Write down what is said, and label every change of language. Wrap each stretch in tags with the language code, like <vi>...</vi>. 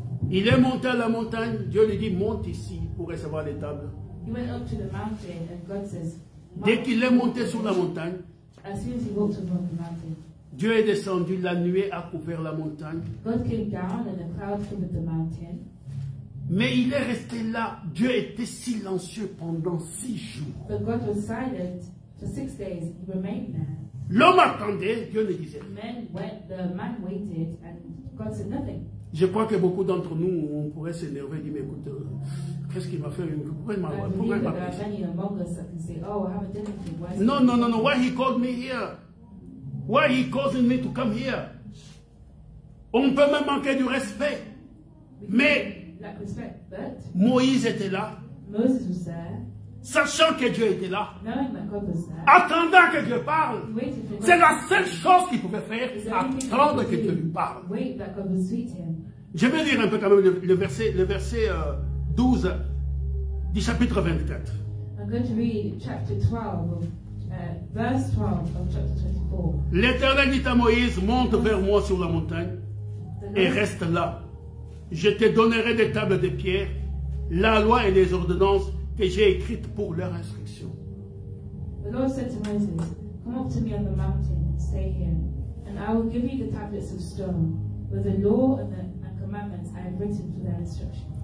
<fr>Il est monté à la montagne, Dieu lui dit, monte ici pour recevoir les tables.</fr> <en>He went up to the mountain and God says,</en> <fr>dès qu'il est monté sur la montagne,</fr> <en>as soon as he walked up on the mountain,</en> <fr>Dieu est descendu, la nuée a couvert la montagne.</fr> <en>God came down and a cloud covered the mountain.</en> <fr>Mais il est resté là. Dieu était silencieux pendant 6 jours.</fr> <en>But God was silent for 6 days. He remained there.</en> <fr>L'homme attendait, Dieu ne disait rien.</fr> <en>The man waited and God said nothing.</en> <fr>Je crois que beaucoup d'entre nous, on pourrait s'énerver et dire, mais écoute, qu'est-ce qu'il m'a fait? Pourquoi il m'a appelé? Non.</fr> <en>Why he called me here? Why he causing me to come here?</en> <fr>On peut même manquer du respect. Mais Moïse était là.</fr> <en>Moses was there.</en> <fr>Sachant que Dieu était là.</fr> <en>Knowing that God was there.</en> <fr>Attendant que Dieu parle. C'est la seule chose qu'il pouvait faire. Attendre que Dieu lui parle.</fr> <en>Wait that God would speak to him.</en> <fr>Je vais lire un peu quand même le verset 12 du chapitre 24.</fr> <en>I'm going to read chapter 12, verse 12 of chapter 24.</en> <fr>L'Éternel dit à Moïse, monte vers moi sur la montagne et reste là. Je te donnerai des tables de pierre, la loi et les ordonnances que j'ai écrites pour leur instruction.</fr> <en>The Lord said to Moses, come up to me on the mountain, stay here, and I will give you the tablets of stone with the law and the commandments I have written for their instruction.</en>